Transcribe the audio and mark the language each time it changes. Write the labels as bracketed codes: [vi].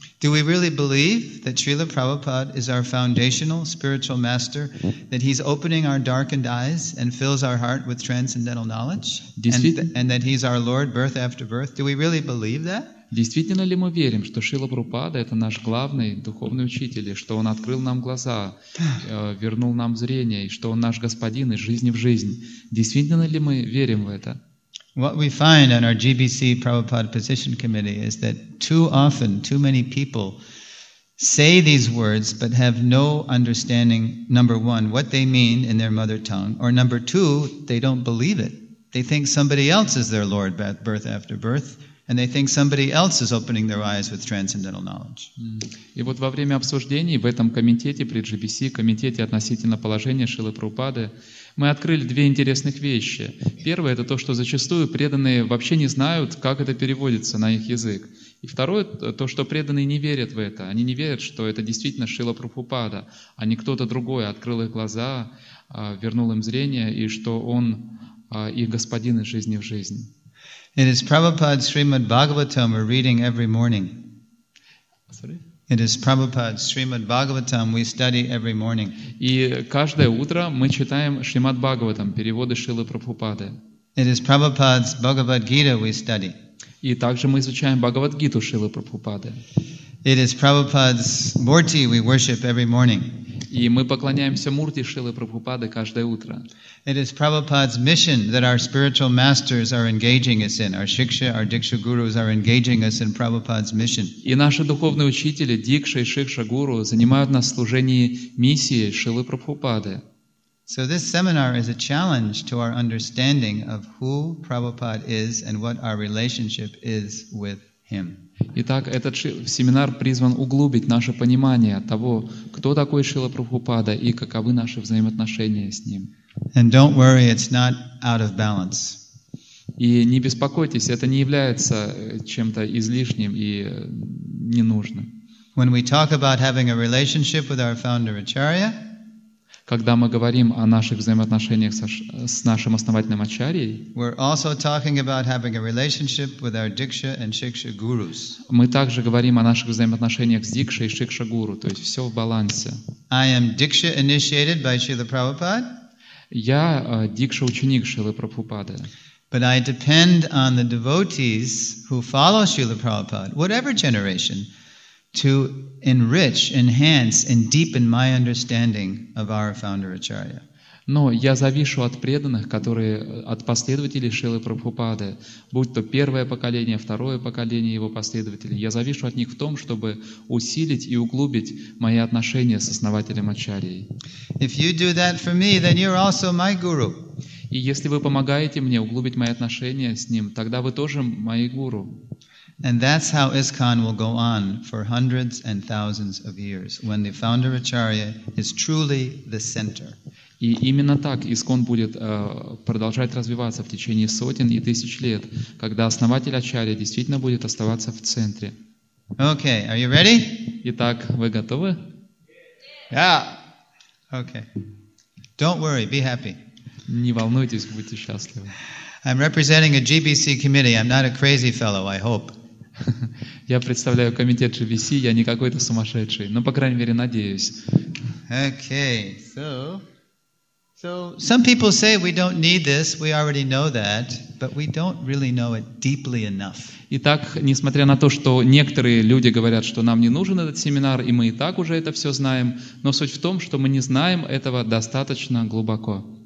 [en] Do we really believe that Srila Prabhupada is our foundational spiritual master, that he's opening our darkened eyes and fills our heart with transcendental knowledge, and that he's our Lord birth after birth? Do we really believe that? [ru] Действительно ли мы верим, что Шрила Прабхупада это наш главный духовный учитель, и что он открыл нам глаза, вернул нам зрение, и что он наш господин из жизни в жизнь? Действительно ли мы верим в это? [en] What we find on our GBC Prabhupada Position Committee is that too often, too many people say these words but have no understanding, number one, what they mean in their mother tongue, or number two, they don't believe it. They think somebody else is their Lord birth after birth. And they think somebody else is opening their eyes with transcendental knowledge. [ru] И вот во время обсуждений в этом комитете при GBC, комитете относительно положения Шрилы Прабхупады, мы открыли две интересных вещи. Первое — это то, что зачастую преданные вообще не знают, как это переводится на их язык. И второе — то, что преданные не верят в это. Они не верят, что это действительно Шрила Прабхупада, а не кто-то другой открыл их глаза, вернул им зрение, и что он их господин из жизни в жизнь. [en] It is Prabhupada's Srimad Bhagavatam we're reading every morning. Sorry? It is Prabhupada's Srimad Bhagavatam we study every morning. [ru] И каждое утро мы читаем Шримад Бхагаватам, переводы Шрилы Прабхупады. [en] It is Prabhupada's Bhagavad Gita we study. [ru] И также мы изучаем Бхагавад Гиту Шрилы Прабхупады. [en] It is Prabhupada's Murti we worship every morning. [ru] И мы поклоняемся Мурти Шрилы Прабхупады каждое утро. [en] It is Prabhupada's mission that our spiritual masters are engaging us in. Our Shiksha, our Diksha Gurus are engaging us in Prabhupada's mission. [ru] И наши духовные учители, Дикша и Шикша Гуру, занимают нас в служении миссии Шрилы Прабхупады. [en] So this seminar is a challenge to our understanding of who Prabhupada is and what our relationship is with him. [ru] Итак, этот семинар призван углубить наше понимание того, кто такой Шрила Прабхупада и каковы наши взаимоотношения с ним. [en] And don't worry, it's not out of balance. [ru] И не беспокойтесь, это не является чем-то излишним и ненужным. [en] When we talk about having a relationship with our founder Acharya, [ru] когда мы говорим о наших взаимоотношениях с нашим основателем Ачарьей, [en] we're also talking about having a relationship with our Diksha and Shiksha Gurus. [ru] Мы также говорим о наших взаимоотношениях с Дикшей и Шикша Гуру, то есть все в балансе. [en] I am Diksha initiated by Srila Prabhupada. [ru] Я дикша-ученик Шрилы Прабхупады. [en] But I depend on the devotees who follow Srila Prabhupada, whatever generation, to enrich, enhance, and deepen my understanding of our founder Acharya. [ru] Но я завишу от преданных, которые, от последователей Шрилы Прабхупады, будь то первое поколение, второе поколение его последователей, я завишу от них в том, чтобы усилить и углубить мои отношения с основателем Ачарьей. [en] If you do that for me, then you're also my guru. [ru] И если вы помогаете мне углубить мои отношения с ним, тогда вы тоже мои гуру. [en] And that's how ISKCON will go on for hundreds and thousands of years, when the founder Acharya is truly the center. [ru] И именно так ИСКОН будет продолжать развиваться в течение сотен и тысяч лет, когда основатель Ачарья действительно будет оставаться в центре. [en] Okay, are you ready? [ru] Итак, вы готовы? [en] Yeah. Okay. Don't worry, be happy. [ru] Не волнуйтесь, будьте счастливы. [en] I'm representing a GBC committee. I'm not a crazy fellow, I hope. [ru] Я представляю комитет GBC, я не какой-то сумасшедший, но, по крайней мере, надеюсь. [en] Okay, So some people say we don't need this, we already know that, but we don't really know it deeply enough. [ru] Итак, несмотря на то, что некоторые люди говорят, что нам не нужен этот семинар, и мы и так уже это все знаем, но суть в том, что мы не знаем этого достаточно глубоко.